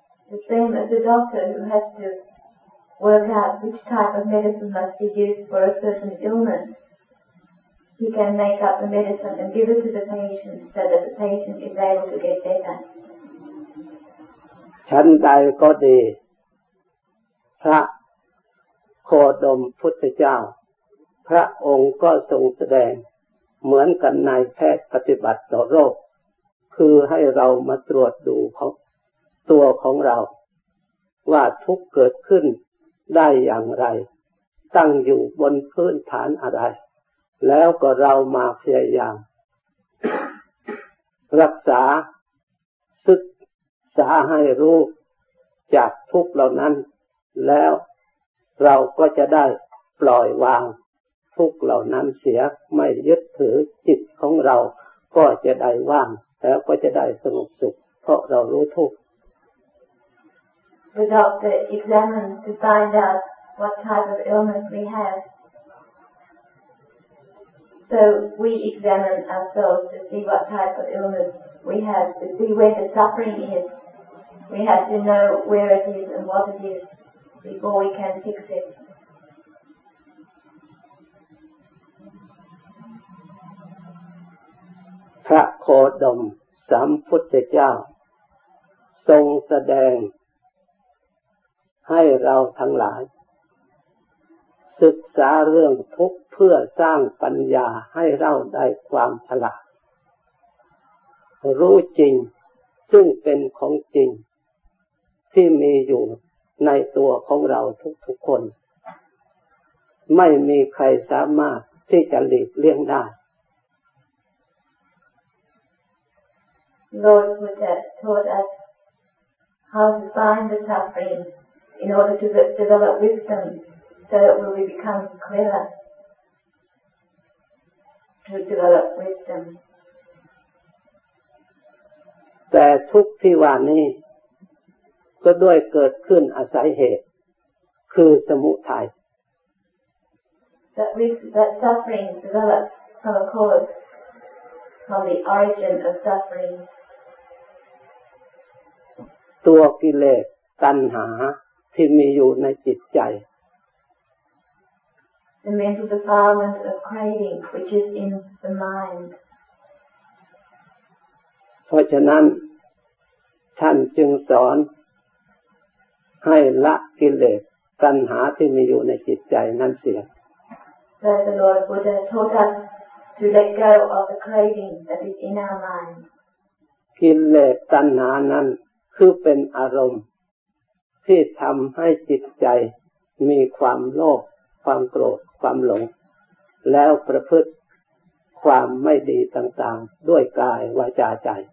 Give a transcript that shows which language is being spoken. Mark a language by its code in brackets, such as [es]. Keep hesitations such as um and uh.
[en] The same as the doctor who has to work out which type of medicine must be used for a certain illness. He can make up the medicine and give it to the patient so that the patient is able to get better. [th] ชั้นใดก็ดี พระโคดมพุทธเจ้า พระองค์ก็ทรงแสดง เหมือนกันนายแพทย์ปฏิบัติต่อโรค คือให้เรามาตรวจดูของตัวของเรา ว่าทุกข์เกิดขึ้นได้อย่างไร ตั้งอยู่บนพื้นฐานอะไร แล้วก็เรามาพยายาม รักษา ษาให้รู้จากทุกข์เหล่านั้น แล้วเราก็จะได้ปล่อยวางทุกข์เหล่านั้นเสียไม่ยึดถือจิตของเรา ก็จะได้ว่าง แล้วก็จะได้สงบสุข เพราะเรารู้ทุกข์ [en] The doctor examines to find out what type of illness we have. So we examine ourselves to see what type of illness we have, to see where the suffering is. We have to know where it is and what it is before we can fix it. [th] พระโคดมสัมพุทธเจ้า ทรงแสดง ให้เราทั้งหลาย ศึกษาเรื่องทุกข์เพื่อสร้างปัญญาให้เราได้ความฉลาด รู้จริงซึ่งเป็นของจริง ที่มีอยู่ในตัวของเราทุกๆคน ไม่มีใครสามารถที่จะหลีกเลี่ยงได้ [en] Lord Buddha taught us how to find the suffering in order to de- develop wisdom so that we will become clearer to develop wisdom. [th] แต่ทุกข์ที่ว่านี้ ก็ด้วยเกิดขึ้นอาศัยเหตุ คือสมุทัย [en] That, we, that suffering develops from a cause, from the origin of suffering. [th] ตัวกิเลสตัณหาที่มีอยู่ในจิตใจ [en] The mental defilement of craving, which is in the mind. [th] เพราะฉะนั้น ท่านจึงสอน ให้ละกิเลสตัณหาที่มีอยู่ในจิตใจนั่นเสีย [en] So the Lord Buddha taught us to let go of the craving that is in our mind. [th] กิเลสตัณหานั้นคือเป็นอารมณ์ ที่ทำให้จิตใจ มีความโลภความโกรธความหลง แล้วประพฤติความไม่ดีต่างๆ ด้วยกายวาจาใจ